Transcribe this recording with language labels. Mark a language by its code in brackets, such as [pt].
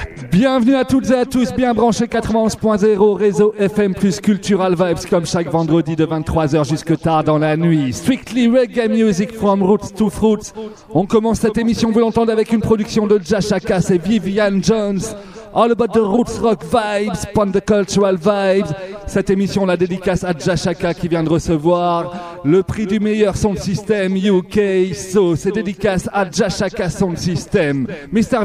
[fr] Bienvenue à toutes et à tous, bien branchés 91.0, réseau FM plus Cultural Vibes, comme chaque vendredi de 23h jusque tard dans la nuit. [en] Strictly reggae music from roots to fruits. [fr] On commence cette émission, vous l'entendez, avec une production de Jah Akas et Vivian Jones. [en] All about the roots rock vibes, pon the cultural vibes. [fr] Cette émission, la dédicace à Jah Akas qui vient de recevoir le prix du meilleur sound system UK. So, c'est dédicace à Jah Akas sound system. Mr.